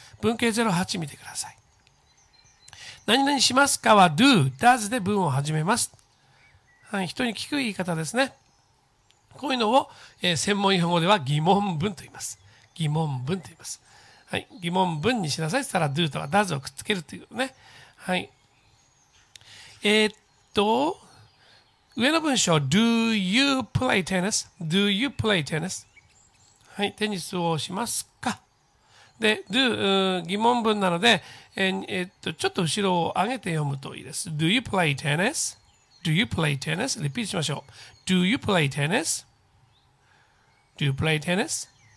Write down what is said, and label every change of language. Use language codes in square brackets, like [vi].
[ja] 文型08見てください。何々しますかは do, does で文を始めます。はい、人に聞く言い方ですね。こういうのを、専門用語では疑問文と言います。疑問文と言います。はい、疑問文にしなさいって言ったら do とは does をくっつけるというね。はい、上の文章、 [en] Do you play tennis? Do you play tennis? [ja] はい、テニスをしますか。で、 do 疑問文なので、ちょっと後ろを上げて読むといいです。 [en] Do you play tennis? Do you play tennis? [ja] リピートしましょう。 [en] Do you play tennis? Do you play tennis?